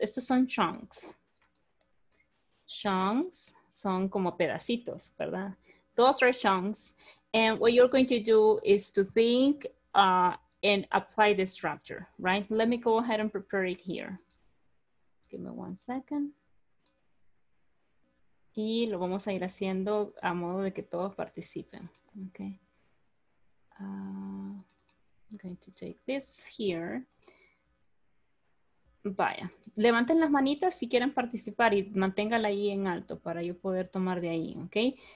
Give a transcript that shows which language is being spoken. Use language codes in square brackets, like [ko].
[es] Estos son chunks. Chunks son como pedacitos, ¿verdad? [en] those are chunks. And what you're going to do is to think and apply the structure, right? Let me go ahead and prepare it here. Give me 1 second. [es] Y lo vamos a ir haciendo a modo de que todos participen, okay? [en] I'm going to take this here. [es] Vaya, levanten las manitas si quieren participar y manténgala ahí en alto para yo poder tomar de ahí, okay?